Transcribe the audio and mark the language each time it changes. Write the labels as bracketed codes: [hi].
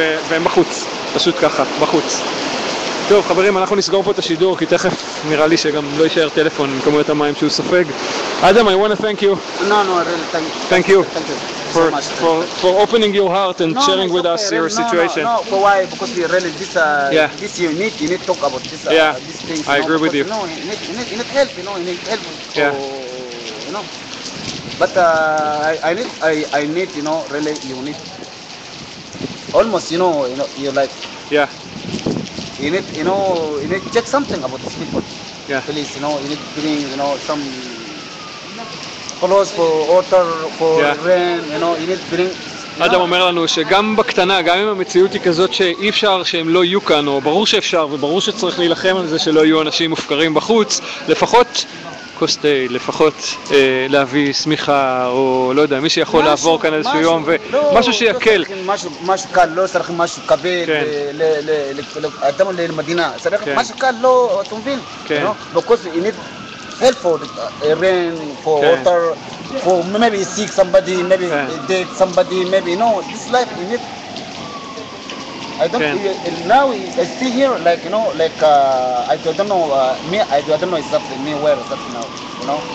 [he] והם בחוץ, פשוט ככה, בחוץ. טוב, חברים, אנחנו נסגור פה את השידור, כי תכף נראה לי שגם לא יישאר טלפון עם כמויות המים שהוא סופג. [en] אדם, I want to thank you. No, really, thank you. Thank you. Thank you. For opening your heart and sharing with us your situation. No, for why? Because we really, this you need to talk about this, this thing. I agree with you. No, you need help, you know, you need help. Yeah. You know, but I need, you know, really, you need, almost, you know, you're like, yeah. You need to check something about these people. Yeah. Please, you know, you need to bring, you know, some clothes for water, for rain, you know, you need to bring. [he] אדם אומר לנו שגם בקטנה, גם אם המציאות היא כזאת שאי אפשר שהם לא יהיו כאן, או ברור שאפשר וברור שצריך להילחם על זה שלא יהיו אנשים מופקרים בחוץ, לפחות קוסטי, לפחות להביא סמיכה או לא יודע, מי שיכול לעבור כאן איזשהו יום ומשהו שיקל. משהו קל, לא צריך משהו כבד לאדם למדינה, צריך משהו קל, לא, אתה מבין? כן. [en] Because you need help for rain, for water. For maybe seek somebody, maybe date somebody, maybe no, this life in it. I don't now I see here like you know, like I don't know exactly me where exactly now, you know.